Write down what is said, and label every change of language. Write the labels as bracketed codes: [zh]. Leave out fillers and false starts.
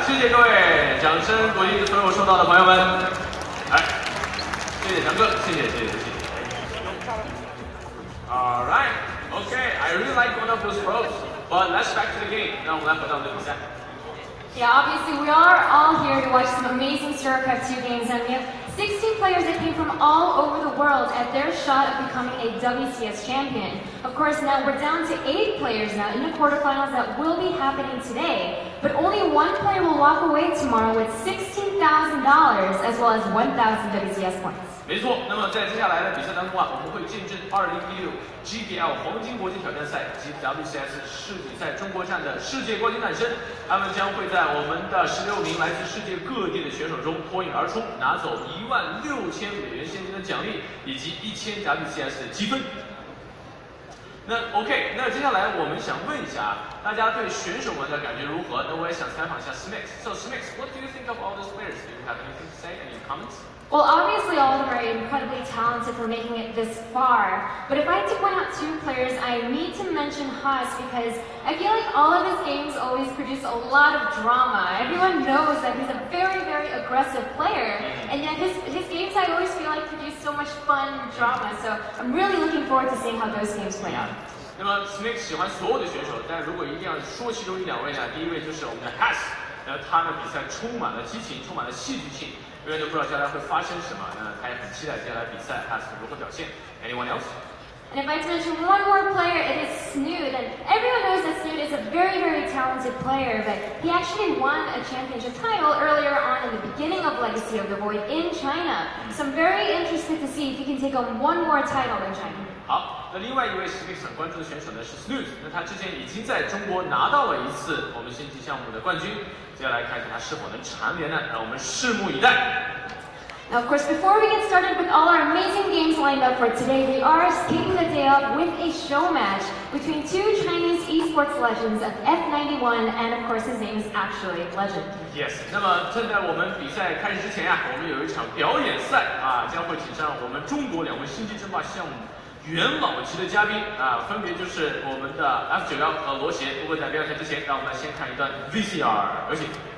[zh] 谢谢各位，掌声鼓励所有收到的朋友们。来，谢谢强哥，谢谢谢谢谢谢。 [en] All right, okay, I really like one of those pros, but let's back to the game. [zh] 那我们来回到我们的比赛。 [en] Yeah, obviously we are all here to watch some amazing StarCraft 2 games, and we have 16 players that came from all over the world at their shot of becoming a WCS champion. Of course, now we're down to 8 players now in the quarterfinals that will be happening today. But only one player will walk away tomorrow with $16,000 as well as 1,000 WCS points. [zh] 没错，那么在接下来的比赛当中我们会见证2016 GBL 黄金国际挑战赛及 WCS 世锦赛中国站的世界冠军诞生，他们将会在我们的16名来自世界各地的选手中脱颖而出，拿走16000美元现金的奖励以及1000 WCS 的积分。那 OK, 那接下来我们想问一下大家对选手们的感觉如何，那我也想采访一下 Smix. [en] So Smix, what do you think of all those players? Do you have anything to say, any comments? Well, obviously all of them are incredibly talented for making it this far. But if I had to point out 2 players, I need to mention Haas because I feel like all of his games always produce a lot of drama. Everyone knows that he's a very, very aggressive player. And yet his games, I always feel like, produce so much fun and drama. So I'm really looking forward to seeing how those games play out. [zh] 那么 Snake 喜欢所有的选手，但如果一定要说其中一两位呢，第一位就是我们的 Hash， 那他的比赛充满了激情，充满了戏剧性，永远都不知道将来会发生什么，那他也很期待接下来比赛 Hash 如何表现。 [en] Anyone else？ And if I mention one more player, it is Snood. And everyone knows that Snood is a very, very talented player, but he actually won a championship title earlier on in the beginning of Legacy of the Void in China. So I'm very interested to see if he can take on one more title in China. [zh] 好，那另外一位是非常关注的选手呢是 Snood. 那他之前已经在中国拿到了一次我们星际项目的冠军，接下来看看他是否能蝉联呢，让我们拭目以待。 [en] Now, of course, before we get started with all our amazing games lined up for today, we are kicking the day off with a show match between two Chinese esports legends of F91, and of course, his name is actually Legend. [zh] Yes, 那么正在我们比赛开始之前啊，我们有一场表演赛啊，将会请上我们中国两位星际争霸项目元老级的嘉宾啊，分别就是我们的 F91 和罗贤。不过在表演赛之前，让我们来先看一段 VCR， 有请。